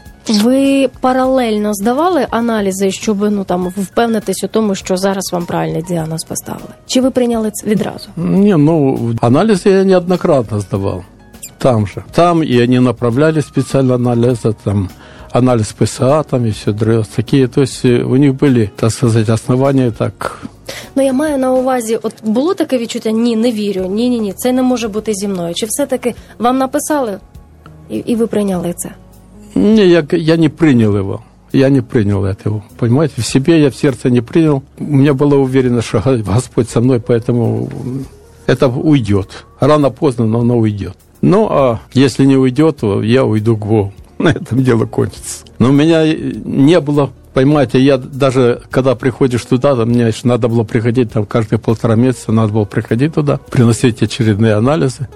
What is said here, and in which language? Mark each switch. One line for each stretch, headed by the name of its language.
Russian: Вы параллельно сдавали анализы, чтобы, ну, там, впевнитись в том, что зараз вам правильный диагноз поставили? Чи вы приняли это відразу? Не, ну, анализы я неоднократно сдавал. Там же. Там и они направляли специально анализы, там, анализ ПСА, там, и все другое. Такие, то есть, у них были, так сказать, основания так...
Ukrainian: Ну, я маю на увазі, от було таке відчуття, ні, не вірю, ні, це не може бути зі мною. Чи все-таки вам написали, і ви прийняли це? Ні, я не прийняв його. Я не прийняв цього, понимаете? В себе я в серце не прийняв. У мене було уверено, що Господь со мною,
Russian: поэтому это уйдет. Рано поздно, но оно уйдет. Ну, а если не уйдет, то я уйду к Богу. На этом дело кончится. Но у меня не было... Понимаете, я даже, когда приходишь туда, там, мне еще надо было приходить, там, каждые полтора месяца надо было приходить туда, приносить очередные анализы.